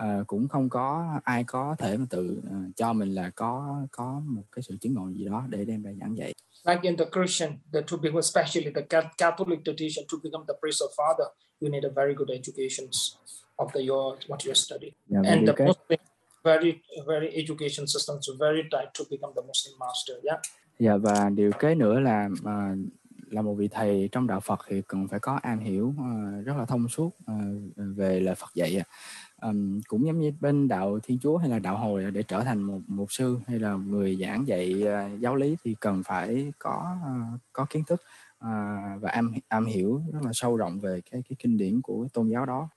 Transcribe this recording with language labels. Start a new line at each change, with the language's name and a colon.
Vietnamese: Cũng không có ai có thể mà tự cho mình là có một cái sự chứng ngộ gì đó để đem ra giảng dạy.
English: Like in the Christian, especially the Catholic tradition, to become the priest or father, you need a very good education of what you study. Yeah, and the Muslim, very, very education system is very tight to become the Muslim master. Yeah.
Vietnamese: Yeah, và điều kế nữa là một vị thầy trong đạo Phật thì cần phải có am hiểu rất là thông suốt về lời Phật dạy. Cũng giống như bên đạo Thiên Chúa hay là đạo Hồi, để trở thành một mục sư hay là người giảng dạy giáo lý thì cần phải có kiến thức và am hiểu rất là sâu rộng về cái kinh điển của cái tôn giáo đó.